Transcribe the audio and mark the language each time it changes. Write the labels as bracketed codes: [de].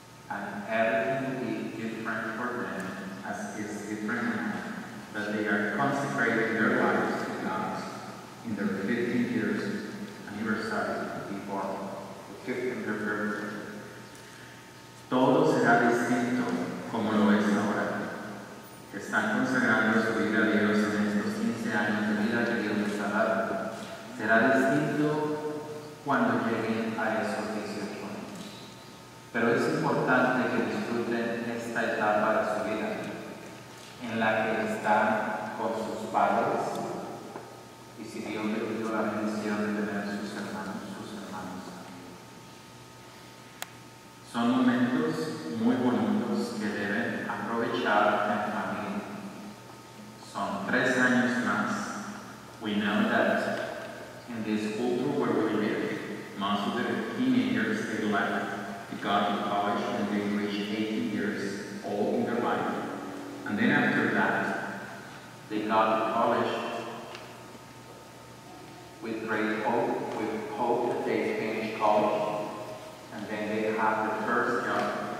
[en] And everything will be different for them, as is different now, that they are consecrating their lives to God in their 15 years anniversary before the 15th birthday. [es] Todo será distinto como lo es ahora. Están consagrando su vida a Dios en estos 15 años de vida que Dios les ha dado. Será distinto cuando lleguen a esos 18 años. Pero es importante que disfruten esta etapa de su vida, en la que están con sus padres, y si Dios les dio la bendición de tener a sus hermanos también. Son momentos muy bonitos que deben aprovechar en familia. Son 3 años más. [en] We know that in this culture where we live, most of the teenagers, they left to go to college and they reach 18 years old in their life. And then after that, they got to college with great hope, with hope that they finish college, and then they have the first job.